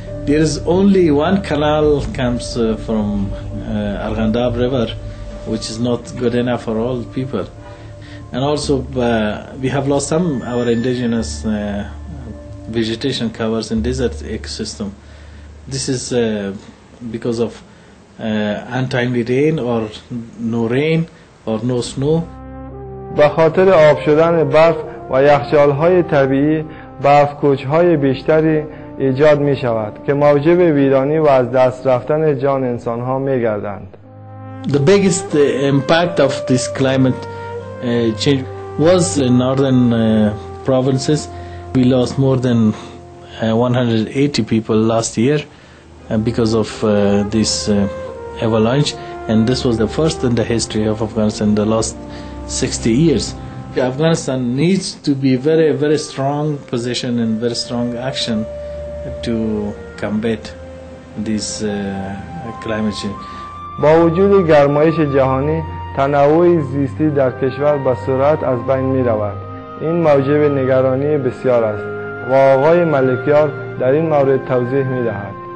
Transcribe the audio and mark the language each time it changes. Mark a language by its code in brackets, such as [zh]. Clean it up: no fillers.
[en] There is only one canal comes from Arghandab River, which is not good enough for all people. And also, we have lost some of our indigenous vegetation covers in desert ecosystem. This is because of untimely rain or no rain or no snow. [fa] به خاطر آب شدن برف و یخچال های طبیعی، برف کوچ های بیشتری ایجاد می شود که موجب ویرانی و از دست رفتن جان انسان ها می گردند. [en] The biggest impact of this climate change was in northern provinces. We lost more than 180 people last year because of this avalanche, and this was the first in the history of Afghanistan in the last 60 years. Afghanistan needs to be very, very strong position and very strong action to combat this climate change. [fa] با وجود گرمایش جهانی، تنوع زیستی در کشور به سرعت از بین می رود این موجب نگرانی بسیار است و آقای ملکیار در این مورد توضیح می دهد.